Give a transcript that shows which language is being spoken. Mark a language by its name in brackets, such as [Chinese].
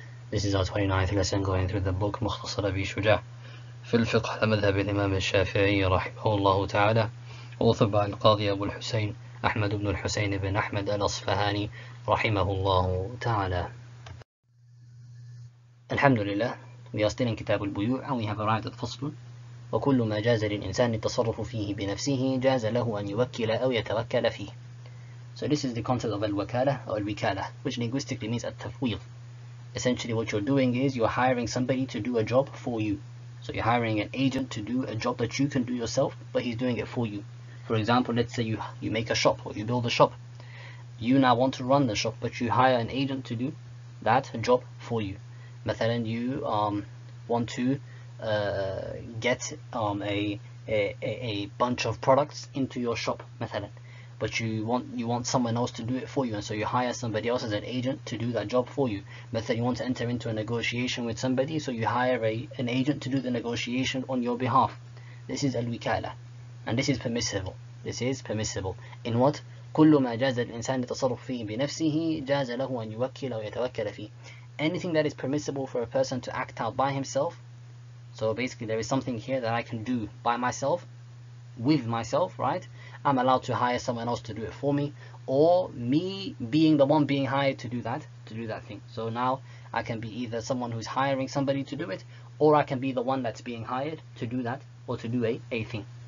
[English] This is our 29th lesson going through the book [Arabic] مختصر أبي شجاع في الفقه على مذهب الإمام الشافعي رحمه الله تعالى وطبع القاضي أبو الحسين أحمد بن الحسين بن أحمد الأصفهاني رحمه الله تعالى. الحمد لله. [English] We are still in كتاب البيوع and we have arrived at فصل. [Arabic] وكل ما جاز للإنسان التصرف فيه بنفسه جاز له أن يوكل أو يتوكل فيه. [English] So this is the concept of al-wakala or al-wikala, which linguistically means التفويض. Essentially what you're doing is you're hiring somebody to do a job for you. So you're hiring an agent to do a job that you can do yourself, but he's doing it for you. For example, let's say you make a shop or you build a shop. You now want to run the shop, but you hire an agent to do that job for you. مثلا you want to get a bunch of products into your shop مثلا, but you want someone else to do it for you, and so you hire somebody else as an agent to do that job for you. مثلا, you want to enter into a negotiation with somebody, so you hire an agent to do the negotiation on your behalf. This is al-wikala, and this is permissible. This is permissible in what [Arabic] كل ما جاز الإنسان التصرف فيه بنفسه جاز له أن يوكل أو يتوكل فيه. [English] Anything that is permissible for a person to act out by himself. So basically, there is something here that I can do by myself, with myself, right? I'm allowed to hire someone else to do it for me, or me being the one being hired to do that thing. So now I can be either someone who's hiring somebody to do it, or I can be the one that's being hired to do that, or to do a thing.